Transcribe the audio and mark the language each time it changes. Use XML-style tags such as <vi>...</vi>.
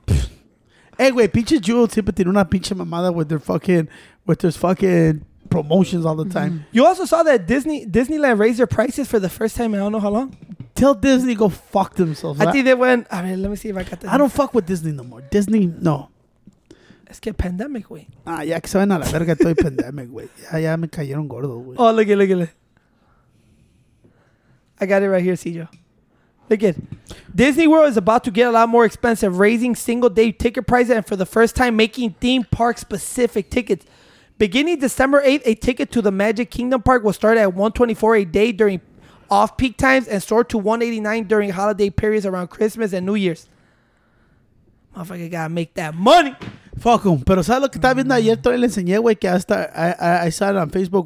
<es>Hey, güey, pinche Jewel siempre tiene una pinche mamada</es> <en>with their fucking. With their fucking. Promotions all the time. You also saw that Disneyland raised their prices for the first time in I don't know how long. Tell Disney go fuck themselves. I think they went. I mean, let me see if I got that. I don't fuck with Disney no more. Disney, no.</en> <es>Es que pandemic, güey. Ah, ya que se ven a la verga, estoy pandemic, güey. Ya me cayeron gordo, güey.</es> <en>Oh, look it, look it. I got it right here, CJ. Look it. Disney World is about to get a lot more expensive, raising single day ticket prices and for the first time making theme park specific tickets. Beginning December 8th, a ticket to the Magic Kingdom Park will start at $124 a day during off-peak times and soar to $189 during holiday periods around Christmas and New Year's. Motherfucker, gotta make that money. Fuck him.</en> <es>Pero sabes lo que estaba viendo ayer? Todavía le enseñé, güey, que hasta</es> <en>I saw it on Facebook.</en>